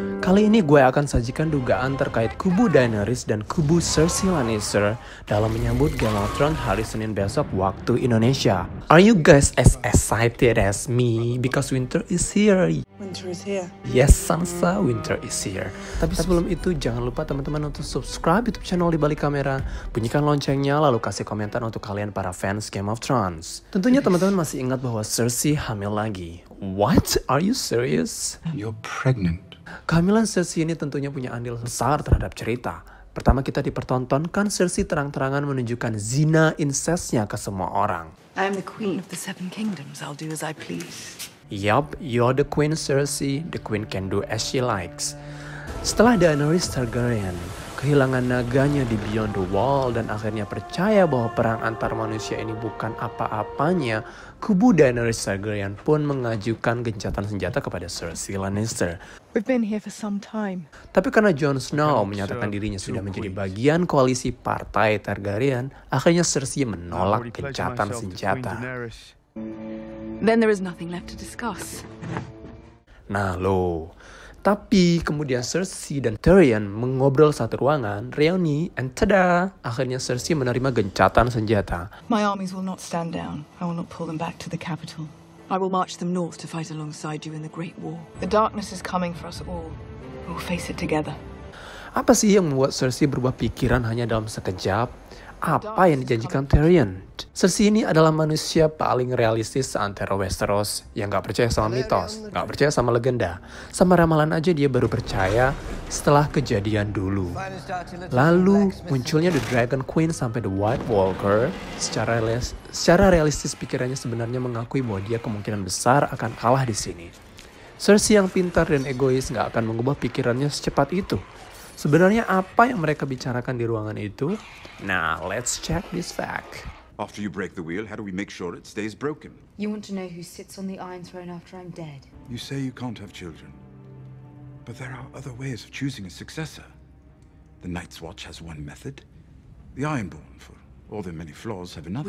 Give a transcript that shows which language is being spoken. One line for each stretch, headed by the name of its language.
Indonesian: Kali ini gue akan sajikan dugaan terkait kubu Daenerys dan kubu Cersei Lannister dalam menyambut Game of Thrones hari Senin besok waktu Indonesia.
English: Are you guys as excited as me? Because winter is here. Winter is here. Yes, Sansa, winter is here.
Indonesian: Tapi sebelum itu, jangan lupa teman-teman untuk subscribe YouTube channel Di Balik Kamera. Bunyikan loncengnya, lalu kasih komentar untuk kalian para fans Game of Thrones. Tentunya teman-teman masih ingat bahwa Cersei hamil lagi.
English: What? Are you serious? You're pregnant.
Indonesian: Kehamilan Cersei ini tentunya punya andil besar terhadap cerita. Pertama kita dipertontonkan Cersei terang-terangan menunjukkan zina incestnya ke semua orang.
English: I am the queen of the seven kingdoms. I'll do as I please. Yup, you're the queen, Cersei. The queen can do as she likes.
Indonesian: Setelah Daenerys Targaryen kehilangan naganya di Beyond the Wall dan akhirnya percaya bahwa perang antar manusia ini bukan apa-apanya, kubu Daenerys Targaryen pun mengajukan gencatan senjata kepada Cersei Lannister.
English: We've been here for some time.
Indonesian: Tapi karena Jon Snow menyatakan dirinya sudah menjadi bagian koalisi partai Targaryen, akhirnya Cersei menolak gencatan senjata.
English: Then there is nothing left to discuss.
Indonesian: Nah lo, tapi kemudian Cersei dan Tyrion mengobrol satu ruangan, reuni,
English: and tada,
Indonesian: akhirnya Cersei menerima gencatan senjata.
English: My armies will not stand down. I will not pull them back to the capital. I will march them north to fight alongside you in the Great War. The darkness is coming for us all. We will face it together.
Indonesian: Apa sih yang membuat Cersei berubah pikiran hanya dalam sekejap? Apa yang dijanjikan Tyrion? Cersei ini adalah manusia paling realistis seantero Westeros yang gak percaya sama mitos, gak percaya sama legenda. Sama ramalan aja dia baru percaya setelah kejadian dulu. Lalu munculnya The Dragon Queen sampai The White Walker, secara realistis pikirannya sebenarnya mengakui bahwa dia kemungkinan besar akan kalah di sini. Cersei yang pintar dan egois gak akan mengubah pikirannya secepat itu. Sebenarnya apa yang mereka bicarakan di ruangan itu?
English: Nah, let's check this fact. After you break the wheel, how do we make sure it stays broken? You want to know who sits on the Iron Throne after I'm dead? You say you can't have children. But there are other ways of choosing a successor. The Night's Watch has one method. The Ironborn, for all their many flaws, have another.